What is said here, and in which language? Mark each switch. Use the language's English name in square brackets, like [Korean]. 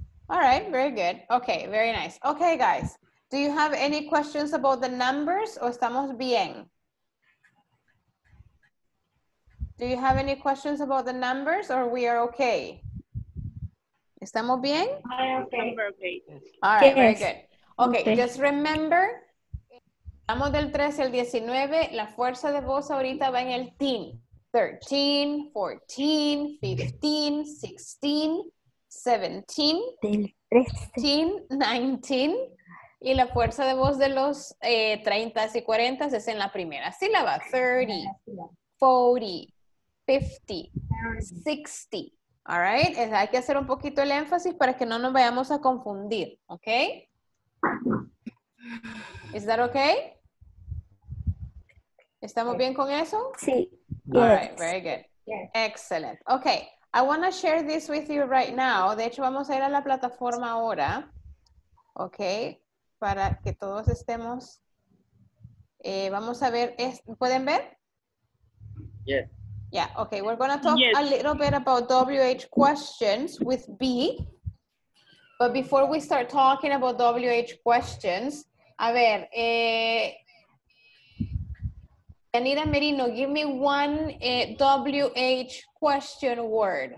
[English] All right, very good. Okay, very nice. Okay, guys, do you have any questions about the numbers or [Spanish] estamos bien? [English] Do you have any questions about the numbers or we are okay? [Spanish] Estamos bien? [English] I am okay. All right, yes. Very good. Okay, okay, just remember, [Spanish] estamos del 13 al 19, la fuerza de voz ahorita va en el teen. [English] 13, 14, 15, 16. 17, 13, [Spanish] 19, y la fuerza de voz de los 30 y 40 es en la primera sílaba. [English] 30, 40, 50, 60. All right, [Spanish] es, hay que hacer un poquito el énfasis para que no nos vayamos a confundir. [English] Ok, is that ok? [Spanish] ¿Estamos bien con eso? Sí. [English] All right, very good. Excellent. Ok. I want to share this with you right now. [Spanish] De hecho, vamos a ir a la plataforma ahora. Ok. Para que todos estemos. Vamos a ver. ¿Pueden ver? Sí. [English] Yes. Yeah, okay, we're gonna talk a little bit about WH questions with B. But before we start talking about WH questions, [Spanish] a ver, [English] Yanira Merino, give me one WH question word.